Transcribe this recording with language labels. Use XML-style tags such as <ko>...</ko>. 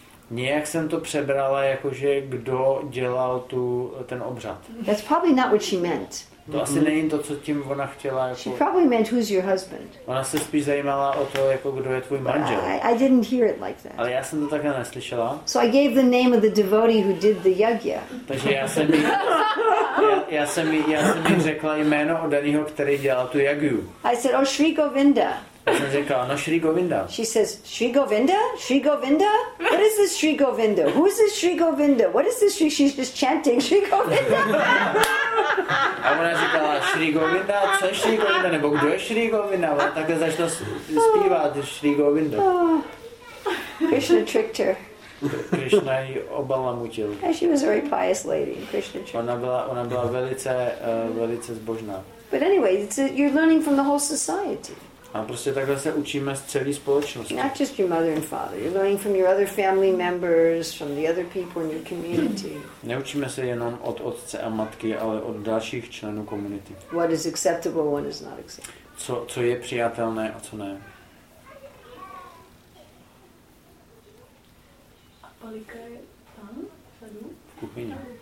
<cs>Nějak jsem to přebrala, jakože kdo dělal ten obřad.</cs> <en>That's probably not what she meant.</en> <cs>To asi není to, co tím ona chtěla jako.</cs> <en>She probably meant who's your husband.</en> <cs>Ona se spíš zajímala o to, jako kdo je tvůj manžel.</cs> <en>I didn't hear it like that.</en> <cs>Ale já jsem to takhle neslyšela.</cs> <en>So I gave the name of the devotee who did the yagya.</en> <cs>Takže já jsem jí řekla jméno od daného, který dělal tu jagyu.</cs> <en>I said, oh, Sri Govinda.</en> <cs>Řekla, no, Sri Govinda.</cs> <en>She says, Sri Govinda? Sri Govinda? What is this Sri Govinda? Who is this Sri Govinda? What is this Sri? She's just chanting, Sri Govinda.</en> <cs>A ona říkala, Sri Govinda? Co je Sri Govinda? Nebo kdo je Sri Govinda? Ona takhle začala zpívat, Sri Govinda.</cs> <en>Oh. Krishna tricked her.</en> <cs>Krishna ji obalamutil.</cs> <en>And she was a very pious lady. Krishna tricked her.</en> <cs>Ona byla velice, velice zbožná.</cs> <en>But anyway, you're learning from the whole society.</en> <cs>A prostě takhle se učíme z celé společnosti.</cs> <en>Not just your mother and father. You're learning from your other family members, from the other people in your community.</en> <cs>Neučíme se jenom od otce a matky, ale od dalších členů komunity.</cs> <en>What is acceptable, what is not acceptable.</en> <cs>Co je přijatelné a co ne. A Palika je tam? V kuchyni.</cs>